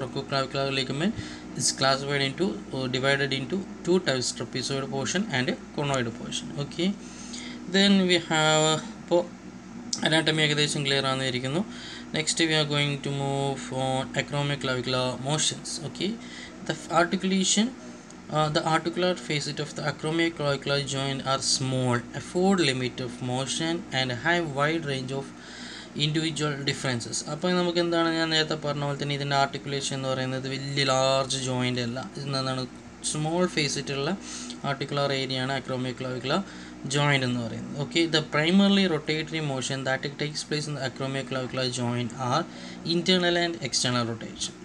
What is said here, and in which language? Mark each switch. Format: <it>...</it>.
<en>Coracoclavicular ligament is classified into divided into two types, trapezoid portion and conoid portion.</en> <ml>Okay,</ml> <en>then we have</en> <ml>ഇപ്പോൾ anatomy ഏകദേശം clear ആണെന്നിരിക്കുന്നു.</ml> <en>Next we are going to move on acromioclavicular motions. Okay, the articular facet of the acromioclavicular joint are small, afford limit of motion and have wide range of individual differences.</en> <ml>അപ്പോൾ നമുക്ക് എന്താണ് ഞാൻ നേരത്തെ പറഞ്ഞ പോലെ തന്നെ ഇതിൻ്റെ articulation എന്ന് പറയുന്നത് വലിയ ലാർജ് ജോയിൻ്റ് അല്ല, ഇതെന്നാണ് സ്മോൾ ഫേസിറ്റുള്ള ആർട്ടിക്കുലർ ഏരിയ ആണ് അക്രോമിയോക്ലാവിക്കുലർ ജോയിൻ്റ് എന്ന് പറയുന്നത്.</ml> <en>Okay, the primarily rotatory motion that takes place in the acromioclavicular joint are internal and external rotation.</en>